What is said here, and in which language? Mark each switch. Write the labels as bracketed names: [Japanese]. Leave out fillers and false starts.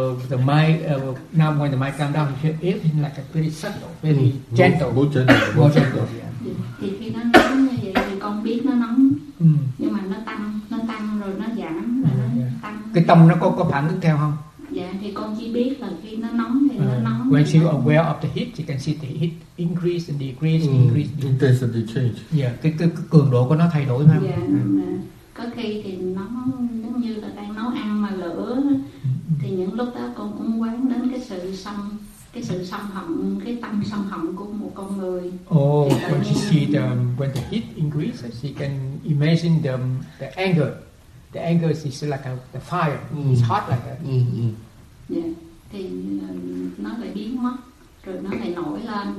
[English] The mind, now when the mind calm down, it's like a pretty subtle, very gentle. More gentle. More gentle. [Vietnamese] Thì khi nó nóng như vậy thì con biết nó nóng, nhưng mà nó tăng rồi nó giảm, nó tăng. Cái tâm nó có phản ứng theo không? Dạ, thì con chỉ biết là khi nó nóng thì nó nóng. [English] When you aware of the heat, you can see the heat increase and decrease, increase. Intensity change. [Vietnamese] Yeah, cái cường độ của nó thay đổi mà. Dạ, có khi thì nó giống như là đang nấu ăn mà lửa, thì những lúc đó con cũng quán đến cái sự sân hận của một con người. [English] Oh, when she see when the heat increases, she can imagine the anger. The anger is like a the fire. It's hot like that. Mm-hmm. [Vietnamese] Yeah. Thì nó lại biến mất, rồi nó lại nổi lên.